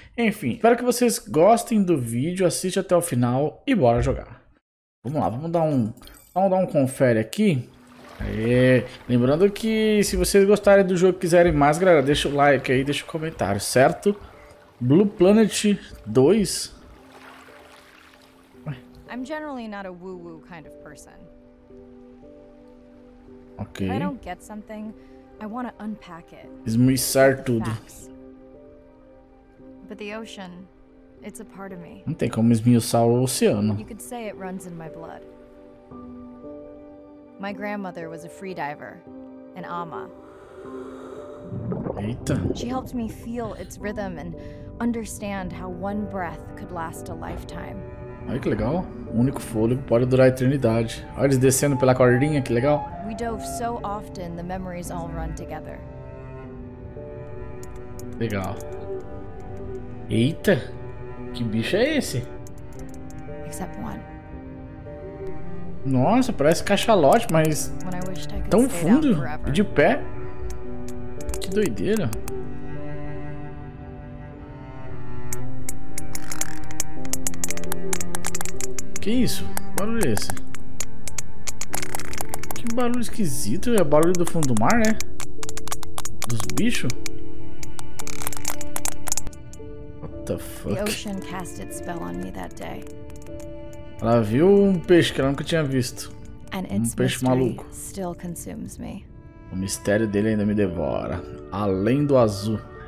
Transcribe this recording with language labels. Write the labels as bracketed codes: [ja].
[pt] Enfim, espero que vocês gostem do vídeo, assiste até o final e bora jogar. Vamos lá, vamos dar um confere aqui. Aê. Lembrando que se vocês gostarem do jogo e quiserem mais, galera, deixa o like aí, deixa o comentário, certo? [en] Blue Planet 2... I'm generally not a woo-woo kind of person. Okay. If I don't get something, I want to unpack it. [pt] Esmiuçar tudo. [en] But the ocean, it's a part of me. [pt] Não tem como esmiuçar o oceano. [en] You could say it runs in my blood. My grandmother was a free diver, an ama. [pt] Eita. [en] She helped me feel its rhythm and understand how one breath could last a lifetime. [pt] Olha que legal. O único fôlego pode durar a eternidade. Olha eles descendo pela cordinha, que legal. [en] We dove so often, the memories all run together. [pt] Legal. Eita! Que bicho é esse? [en] Except one. [pt] Nossa, parece cachalote, mas tão fundo e de pé. Que doideira. Que isso? Que barulho é esse? Que barulho esquisito. É barulho do fundo do mar, né? Dos bichos? [en] What the fuck? The ocean cast its spell on me that day. [pt] Ela viu um peixe que ela nunca tinha visto. [en] And [pt] um peixe maluco. [en] Still consumes me. [pt] O mistério dele ainda me devora. Além do azul.